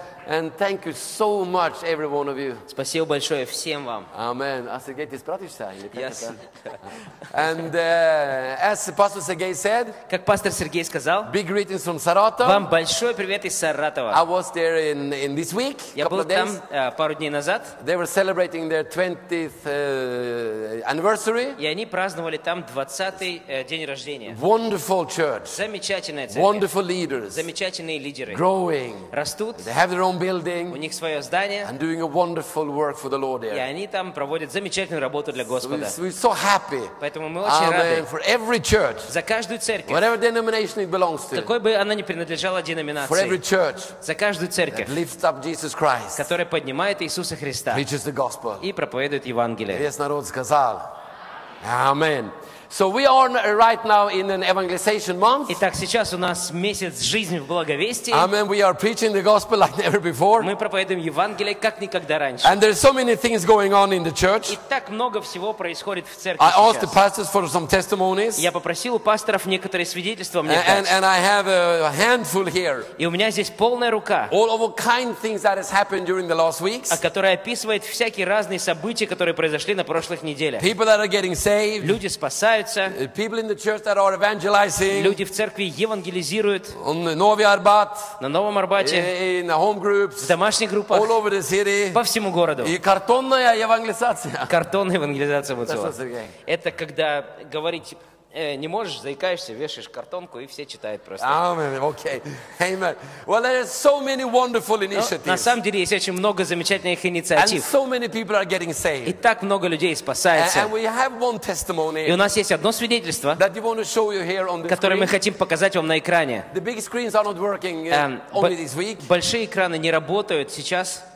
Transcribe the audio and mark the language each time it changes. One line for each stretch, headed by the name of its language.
English: And thank you so much, every one of you.
Russian: Спасибо большое всем вам. Amen. А Сергей, ты справишься?
English: Yes. And as Pastor Sergei said,
Russian: как пастор Сергей сказал,
English: big greetings from Saratov.
Russian: Вам большой привет из Саратова.
English: I was there in this week.
Russian: Я был там пару дней назад.
English: They were celebrating their 20th anniversary.
Russian: И они праздновали там 20-й день рождения.
English: Wonderful church.
Russian: Замечательная церковь.
English: Wonderful leaders.
Russian: Замечательные лидеры.
English: Growing.
Russian: Растут.
English: They have their building,
Russian: у них свое здание,
English: and doing a wonderful work for the Lord here.
Russian: И они там проводят замечательную работу для Господа.
English: So we're so happy.
Russian: Поэтому мы очень рады.
English: For every church,
Russian: за каждую церковь,
English: whatever denomination it belongs to,
Russian: какой бы она ни принадлежала деноминации,
English: for every church,
Russian: за каждую церковь,
English: that lifts up Jesus Christ,
Russian: которая поднимает Иисуса Христа,
English: preaches the gospel,
Russian: и проповедует Евангелие. Весь народ сказал,
English: Amen. So we are right now in an evangelization month.
Russian: Итак, сейчас у нас месяц жизни в благовестии.
English: Amen. We are preaching the gospel like never before.
Russian: Мы проповедуем Евангелие как никогда раньше.
English: And there's so many things going on in the church.
Russian: И так много всего происходит в церкви.
English: I asked the pastors for some testimonies.
Russian: Я попросил у пасторов некоторые свидетельства мне дать.
English: And I have a handful here.
Russian: И у меня здесь полная рука.
English: All of the kind things that has happened during the last weeks.
Russian: А которая описывает всякие разные события, которые произошли на прошлых неделях.
English: People that are getting saved.
Russian: Люди спасаются.
English: People in the church that are evangelizing.
Russian: Люди в церкви евангелизируют.
English: On the Novi Arbat.
Russian: На Новом Арбате.
English: In the home groups.
Russian: В домашних группах.
English: All over the city.
Russian: По всему городу. И картонная евангелизация. Картонная евангелизация вот это. Это когда говорить не можешь, заикаешься, вешаешь картонку и все читают просто.
English: Amen. Okay. Amen. Well, there are so many wonderful initiatives.
Russian: Но, на самом деле есть очень много замечательных инициатив.
English: And so many people are getting saved.
Russian: И так много людей спасается.
English: And we have one testimony.
Russian: И у нас есть одно свидетельство,
English: that we want to show you here on the
Russian: которое
English: screen.
Russian: Мы хотим показать вам на экране.
English: The big screens are not working only this week.
Russian: Большие экраны не работают сейчас.